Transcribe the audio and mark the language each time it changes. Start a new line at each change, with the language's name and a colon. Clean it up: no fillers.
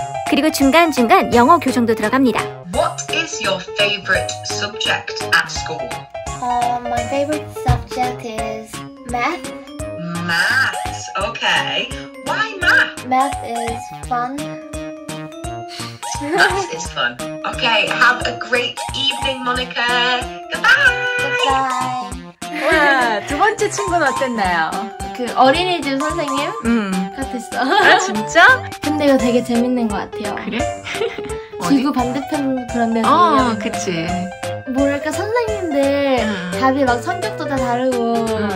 Korean: 그리고 중간중간 영어 교정도 들어갑니다.
English: What is your favorite subject at school? My favorite subject is math. Math, okay. Why math? Math is fun. Math is fun. Okay, have a great evening, Monica. Goodbye. Goodbye.
Korean: 와, 두 번째 친구는 어땠나요? 그 어린이집 선생님 같았어. 아, 진짜? 근데 이거 되게 재밌는 것 같아요. 그래? 지구 반대편 그런 면이. 그치. 뭐랄까, 선생님들 답이 막 성격도 다 다르고.